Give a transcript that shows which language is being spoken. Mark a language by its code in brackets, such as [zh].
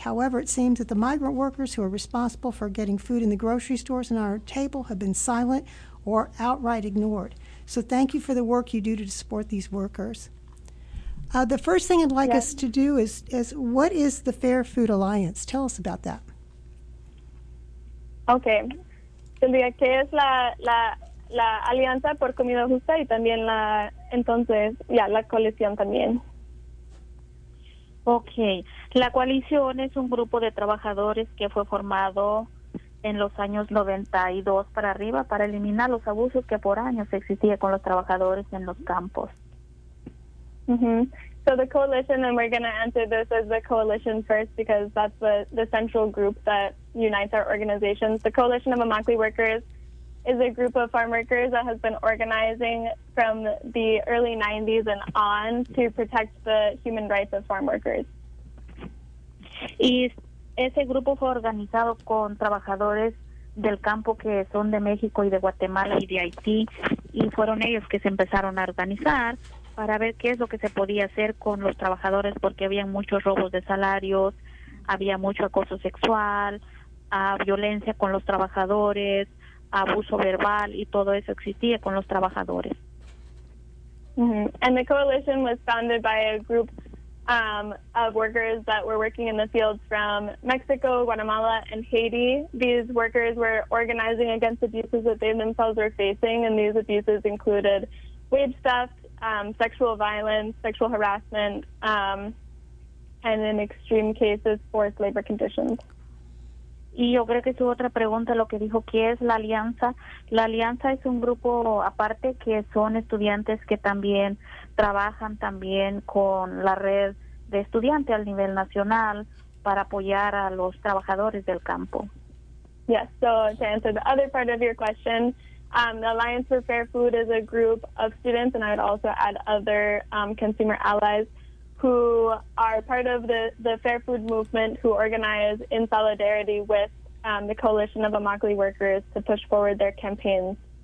[en] However, it seems that the migrant workers who are responsible for getting food in the grocery stores and on our table have been silent or outright ignored. So thank you for the work you do to support these workers. The first thing I'd like us to do is what is the Fair Food Alliance? Tell us about that. Okay. [es] Tendría que es la Alianza por Comida Justa y también la, entonces, ya, la coalición también. [en] Okay. [es] La coalición es un grupo de trabajadores que fue formado en los años 92 para arriba para eliminar los abusos que por años existían con los trabajadores en los campos. [en] Mm-hmm. So the coalition, and we're going to answer this as the coalition first because that's the central group that unites our organizations. The Coalition of Immokalee Workers is a group of farm workers that has been organizing from the early 90s and on to protect the human rights of farm workers. [es] Y ese grupo fue organizado con trabajadores del campo que son de México y de Guatemala y de Haití, y fueron ellos que se empezaron a organizar para ver qué es lo que se podía hacer con los trabajadores porque había muchos robos de salarios, había mucho acoso sexual, violencia con los trabajadores, abuso verbal, y todo eso existía con los trabajadores. Mm-hmm. [en] And the coalition was founded by a group of workers that were working in the fields from Mexico, Guatemala, and Haiti. These workers were organizing against abuses that they themselves were facing, and these abuses included wage theft, sexual violence, sexual harassment, and in extreme cases, forced labor conditions. [es] Y yo creo que su otra pregunta, lo que dijo, ¿qué es la Alianza? La Alianza es un grupo aparte que son estudiantes que también trabajan también con la red de estudiantes al nivel nacional para apoyar a los trabajadores del campo. [en] Yes, so to answer the other part of your question, the Alliance for Fair Food is a group of students, and I would also add other consumer allies, who are part of the Fair Food Movement, who organize in solidarity with the Coalition of Immokalee Workers to push forward their campaigns.